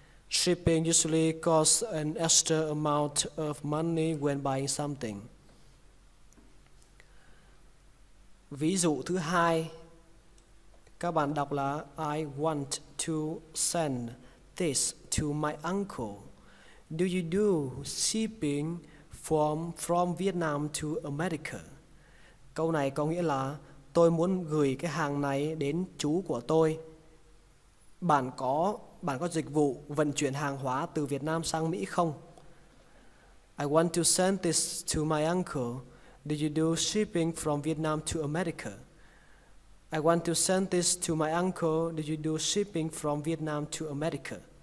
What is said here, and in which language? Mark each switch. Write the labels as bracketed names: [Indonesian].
[English] Shipping usually costs an extra amount of money when buying something. [Vietnamese] Ví dụ thứ hai, các bạn đọc là I want to send this to my uncle. [English] Do you do shipping from Vietnam to America? [Vietnamese] Câu này có nghĩa là tôi muốn gửi cái hàng này đến chú của tôi. Bạn có dịch vụ vận chuyển hàng hóa từ Việt Nam sang Mỹ không? [English] I want to send this to my uncle. Do you do shipping from Vietnam to America? I want to send this to my uncle. Do you do shipping from Vietnam to America?